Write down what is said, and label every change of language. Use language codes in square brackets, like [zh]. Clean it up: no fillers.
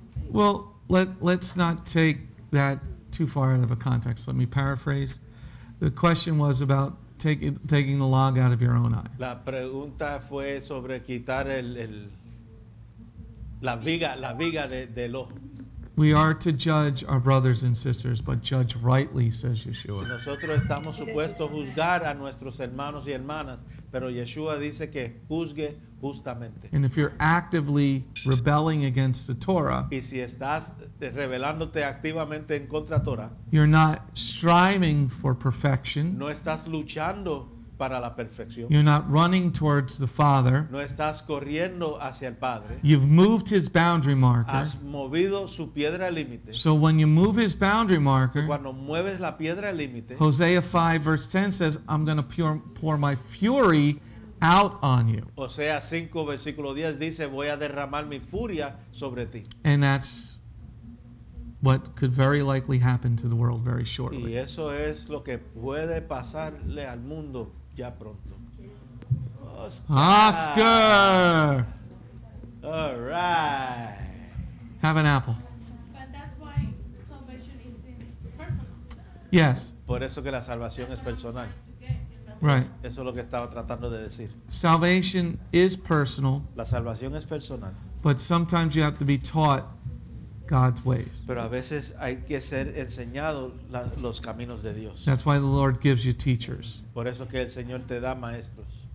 [en] Well, let's not take that too far out of a context. Let me paraphrase. The question was about taking the log out of your own eye. [es] La pregunta fue sobre quitar la viga del ojo. [en] We are to judge our brothers and sisters, but judge rightly, says Yeshua. [es] Nosotros estamos supuestos a juzgar a nuestros hermanos y hermanas, pero Yeshua dice que juzgue justamente. [en] And if you're actively rebelling against the Torah, [es] y si estás rebelándote activamente en contra Torah, [en] you're not striving for perfection. [es] No estás luchando para la perfección. [en] You're not running towards the Father. [es] No estás corriendo hacia el Padre. [en] You've moved his boundary marker. [es] Has movido su piedra límite. [en] So when you move his boundary marker, [es] cuando mueves la piedra límite, [en] Hosea 5 verse 10 says, I'm going to pour my fury out on you. [es] Hosea 5 versículo 10 dice, voy a derramar mi furia sobre ti. [en] And that's what could very likely happen to the world very shortly. [es] Y eso es lo que puede pasarle al mundo ya pronto. [en] Oscar! All right. Have an apple. But that's why salvation is personal. Yes. [es] Por eso que la salvación es personal. [en] Right. [es] Eso es lo que estaba tratando de decir. [en] Salvation is personal. [es] La salvación es personal. [en] But sometimes you have to be taught God's ways. [es] Pero a veces hay que ser enseñado los caminos de Dios. [en] That's why the Lord gives you teachers. [es] Por eso que el Señor te da maestros.